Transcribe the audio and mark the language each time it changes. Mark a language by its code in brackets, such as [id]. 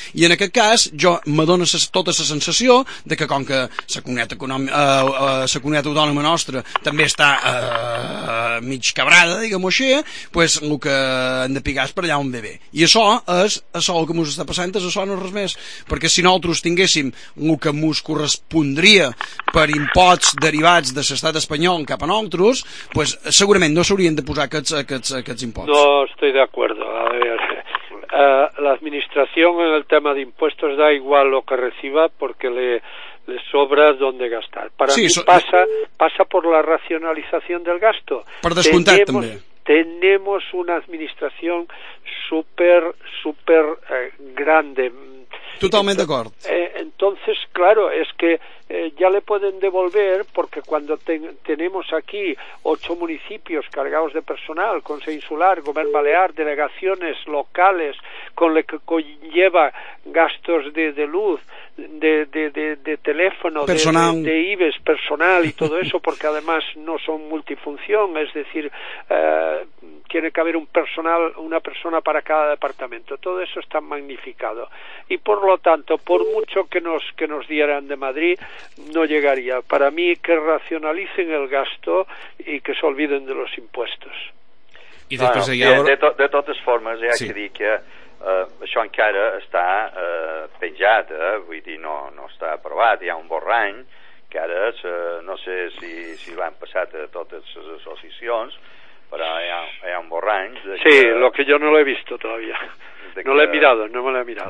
[ca] I en aquest cas, jo m'adona tota la sensació de que com que la comunitat, comunitat autònoma nostra també està mig cabrada, diguem-ho així, pues el que han de pigar és per allà on ve bé. I això és això el que mos està passant, és això no res més, perquè si nosaltres tinguéssim el que mos correspondria per impots derivats de l'estat espanyol cap a nosaltres, pues segurament no s'haurien de posar aquests impots. [es] No estoy de acuerdo. A ver, la administración en el tema de impuestos da igual lo que reciba porque le sobra donde gastar. Para sí, mí pasa por la racionalización del gasto. [ca] Per descomptat, també. [es] Tenemos una administración súper, súper grande. Totalmente de acuerdo. Entonces, claro, es que ya le pueden devolver, porque cuando tenemos aquí 8 municipios cargados de personal, Consejo Insular, Gobierno Balear, delegaciones locales, con lo que conlleva gastos de luz, de teléfono, personal. De IBEX, personal y todo eso, porque además no son multifunción, es decir, tiene que haber un personal, una persona para cada departamento. Todo eso está magnificado. Y por lo tanto, por mucho que nos dieran de Madrid, no llegaría. Para mí, que racionalicen el gasto y que se olviden de los impuestos. Y después bueno, llegar... de todas formas, ya sí. [ca] Que dije, això encara està penjat, vull dir, no està aprovat, hi ha un borrany que ara no sé si l'han passat a totes les associacions, però hi ha un borrany de sí, que, lo que jo no l'he vist todavía, no l'he mirat, no me l'he mirat.